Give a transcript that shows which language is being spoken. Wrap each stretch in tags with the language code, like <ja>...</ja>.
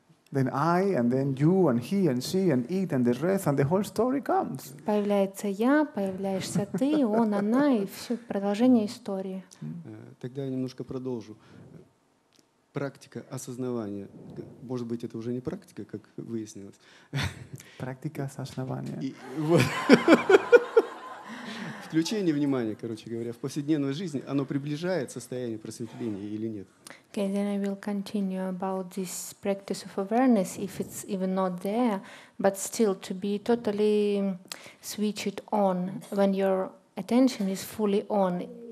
<en>Then I, and then you, and he, and she, and it, and the rest, and the whole story comes.</en> <ru>Появляется я, появляешься ты, он, она, и все продолжение истории. Тогда я немножко продолжу. Практика осознавания. Может быть, это уже не практика, как выяснилось. Практика осознавания. Включение внимания, короче говоря, в повседневную жизнь, оно приближает состояние просветления или нет?</ru> <en>Okay, then I will continue about this practice of awareness, if it's even not there, but still to be totally switched on when your attention is fully on.</en>